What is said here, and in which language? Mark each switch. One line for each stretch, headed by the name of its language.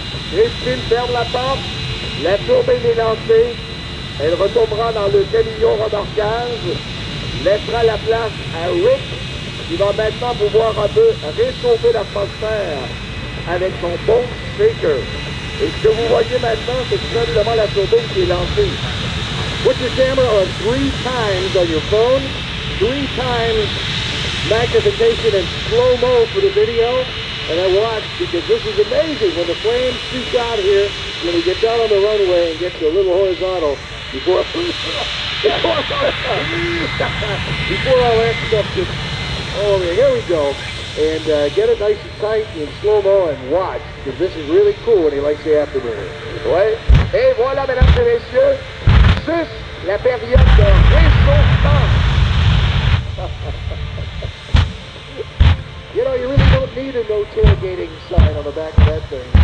French: Christine ferme la porte, la turbine est lancée, elle retombera dans le camion remorquage, laissera la place à Rick. Il va maintenant pouvoir un peu réchauffer l'atmosphère avec son Boneshaker. Et ce que vous voyez maintenant, c'est tout simplement la turbine qui est lancée.
English: Put your camera on three times on your phone. Three times magnification and slow-mo for the video. And then watch, because this is amazing. When the flames shoot out here, when we get down on the runway and get to a little horizontal before our last stuff just... Oh, okay, here we go. And get it nice and tight in slow-mo and watch, because this is really cool when he likes the afternoon.
French: Ouais. Et voilà, mesdames et messieurs, juste la période de réchauffement.
English: You know, you really don't need a no tailgating sign on the back of that thing.